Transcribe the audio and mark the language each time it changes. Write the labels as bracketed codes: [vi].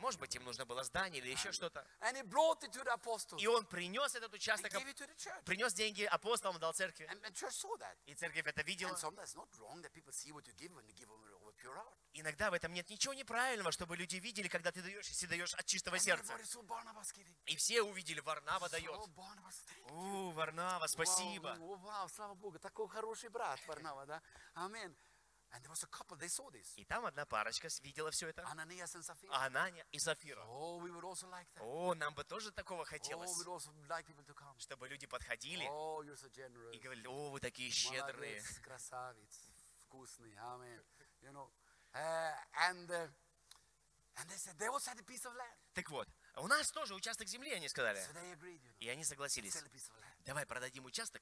[ru] Может быть, им нужно было здание или еще что-то. [en] And he brought it to the apostles. [ru] И он принес этот участок. [en] And gave it to the church. [ru] Принес деньги апостолам, дал церкви. [en] And church saw that. [ru] И церковь это видела. [en] And sometimes it's not wrong that people see what you give when you give them with pure heart. [ru] Иногда в этом нет ничего неправильного, чтобы люди видели, когда ты даешь, если даешь от чистого сердца. И все увидели, Варнава дает. О, Варнава, спасибо. Вау, слава Богу, такой хороший брат Варнава, да? Амин. [en] And there was a couple, they saw this. [ru] И там одна парочка видела все это. [en] Ананиас and Сапфира. [ru] Анания и Сапфира. [en] Oh, we would also like that. [ru] О, нам бы тоже такого хотелось. [en] Oh, we would also like people to come. [ru] Чтобы люди подходили. [en] Oh, you're so generous. [ru] И говорили, о, вы такие щедрые. Молодец, красавец, вкусный, амин. [en] You know, and they said they also had a piece of land. [ru] Так вот, у нас тоже участок земли, они сказали. [en] So they agreed, you know. [ru] И они согласились. [en] Sell a piece of land. [ru] Давай продадим участок.